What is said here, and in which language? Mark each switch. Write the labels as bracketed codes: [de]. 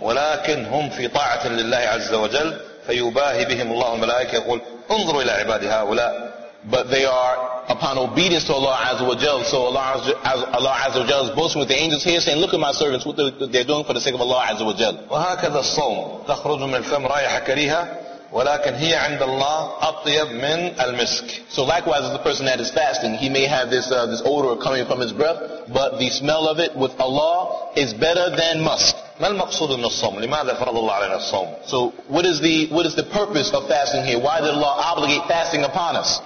[ar] ولكن هم في طاعة لله عز وجل فيباهي بهم الله الملائكة يقول انظروا إلى عبادي هؤلاء. [en] But they are upon obedience to Allah عز وجل. So Allah عز وجل is boasting with the angels here, saying, look at my servants, what they're doing for the sake of Allah عز وجل. [ar] وهكذا الصوم تخرج من الفم رائحة كريهة ولكن هي عند الله أطيب من المسك. [en] So likewise, the person that is fasting, he may have this odor coming from his breath, but the smell of it with Allah is better than musk. [ar] ما المقصود من الصوم؟ لماذا فرض الله علينا الصوم؟ [en] So what is the purpose of fasting here? Why did Allah obligate fasting upon us?